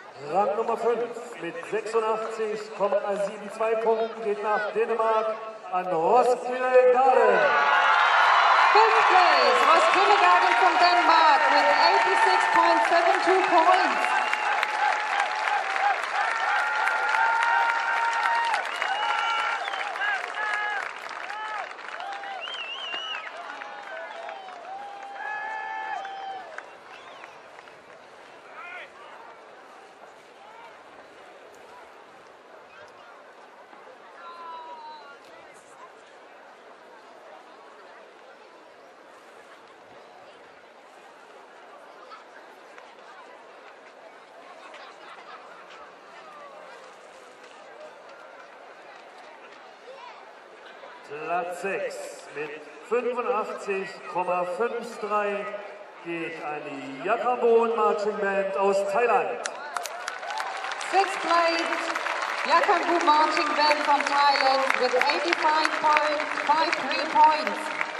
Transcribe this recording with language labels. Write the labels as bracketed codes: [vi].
[de] Rang Nummer 5 mit 86,72 Punkten geht nach Dänemark an Roskilde Garden. [en] Fifth place, Roskilde Garden from Denmark with 86,72 points. [de] Platz 6 mit 85,53 geht an die Yakamon Marching Band aus Thailand. [en] Sixth place, Yakamon Marching Band from Thailand with 85,53 points.